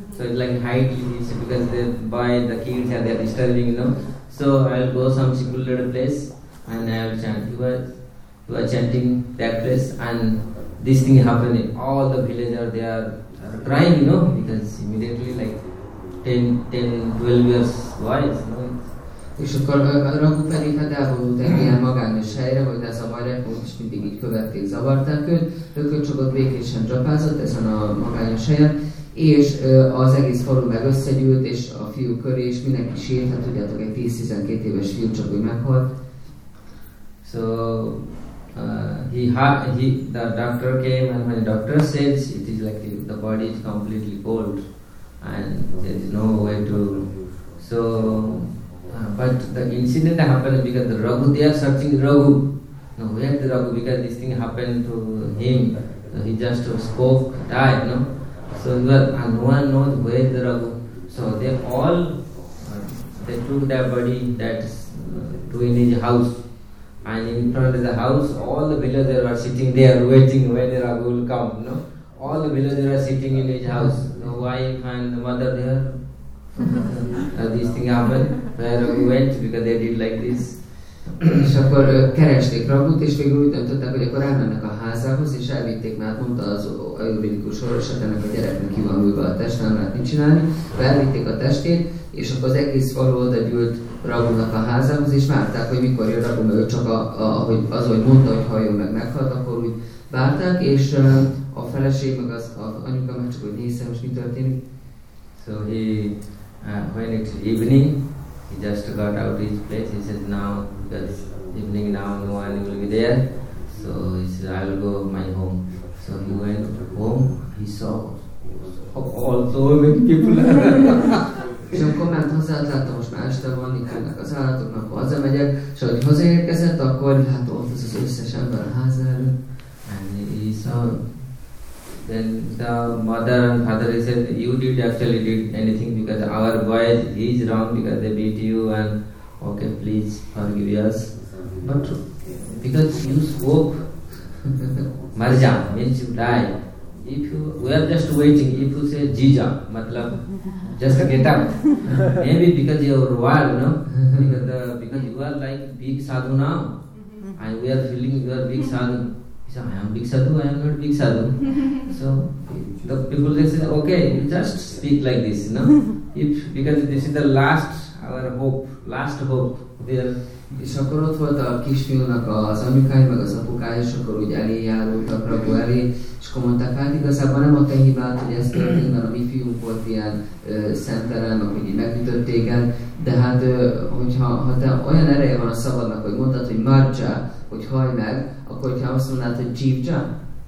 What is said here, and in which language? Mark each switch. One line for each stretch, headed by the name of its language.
English: So it's like hide, because the boy, the kids, yeah, they are disturbing, you know. So I'll go some secluded place, and I'll chant. He was chanting that place, and this thing happened. All the villagers, they are crying, you know, because immediately like, 10-12 years wise, no?
Hungarian: És akkor Raghu pedig elvonult egy ilyen magányos helyre, hogy ez a zavarják, és mindig így követték, zavarták őt. Rögtön csak ott békésen dzsapázott ezen a magányos helyen, és az egész falu meg összegyűlt, és a fiú köré, és mindenki sírt, hát tudjátok, egy 10-12 éves fiú csak úgy meghalt.
English: So, the doctor came, and when the doctor says, it is like the body is completely cold. And there is no way to. So, but the incident happened because the Raghu, they are searching Raghu. No, where is the Raghu? Because this thing happened to him. So he just spoke, died, no? So, and no one knows where is the Raghu. So, they all they took their body that's in his house. And in front of the house, all the villagers were sitting there waiting when the Raghu will come, no? All the villagers are sitting in his house. Wife and the mother there. This thing happened. Where Raghu went because they did like this.
Hungarian: És akkor keresték Raghut, és végül úgy döntöttek, hogy akkor elmennek a házához, és elvitték, mert mondta az ayurvédikus orvos, hogy ennek a gyereknek ki van újva a test, nem lehet mit csinálni. Elvitték a testét, és akkor az egész falu oda gyűlt Raghunak a házához, és várták, hogy mikor jön Raghu, mert ő csak az, hogy mondta, hogy halljon meg, meghalt, akkor úgy várták, és a feleség meg az anyuka meg csak, hogy nézze, most mi történik.
English: So he, when it's evening, he just got out his place. He said, now, because evening now, no one will be there. So he said, I will go my home. So he went home, he saw all so many people.
Hungarian: És akkor ment hozzá, látta, most már este van, itt vannak az állatok, mert akkor hazamegyek. És ahogy hozzáérkezett, akkor hát ott az az összes ember a ház előtt.
English: And he saw, then the mother and father, he said, you did actually did anything because our boy, he is wrong because they beat you and okay, please forgive us. But because you spoke, marja means you die. If you, we are just waiting, if you say jija, matlab, just get up. Maybe because you are wild, no? Because you are like big sadhu now. And we are feeling you are big sadhu. So I am big sadhu, I am not big sadhu. So the people they say, okay, you just speak like this, no? If because this is the last our hope, last hope there.
Hungarian: És akkor ott volt a kisfiúnak az anyukája, meg az apukája, és akkor úgy elé járultak Prabhu elé, és akkor mondták, hát igazából nem a te hibád, hogy ez történt, mert a mi fiúk volt ilyen szemtelen, akik így megütötték el, de hát hogyha te olyan ereje van a szabadnak, hogy mondtad, hogy marcsa, hogy hajj meg, akkor hogyha azt mondnád, hogy jibja,